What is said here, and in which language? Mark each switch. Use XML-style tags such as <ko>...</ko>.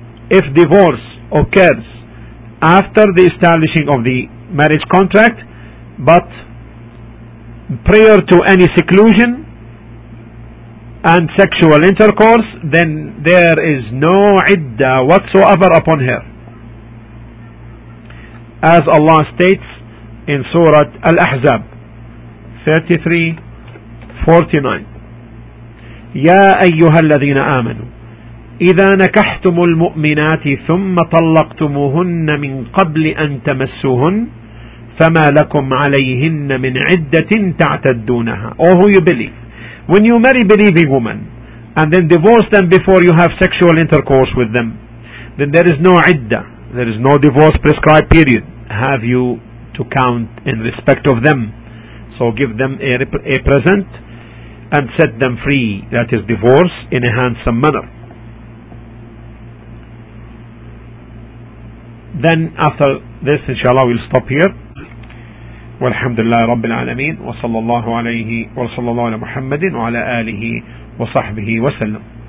<en>If divorce occurs after the establishing of the marriage contract, but prior to any seclusion and sexual intercourse, then there is no iddah whatsoever upon her.</en> <ar>As Allah states in Surah Al-Ahzab 33:49, يَا أَيُّهَا الَّذِينَ آمَنُوا إِذَا نَكَحْتُمُ الْمُؤْمِنَاتِ ثُمَّ طَلَّقْتُمُهُنَّ مِنْ قَبْلِ أَنْ تَمَسُّهُنَّ فَمَا لَكُمْ عَلَيْهِنَّ مِنْ عِدَّةٍ تَعْتَدُّونَهَا.</ar> <en>Oh, who you believe. When you marry believing women and then divorce them before you have sexual intercourse with them, then there is no iddah. There is no divorce prescribed period. Have you to count in respect of them? So give them a present and set them free, that is divorce, in a handsome manner. Then after this, inshallah, we'll stop here.</en> <ar>والحمد لله رب العالمين وصلى الله عليه وصلى الله على محمد وعلى آله وصحبه وسلم.</ar>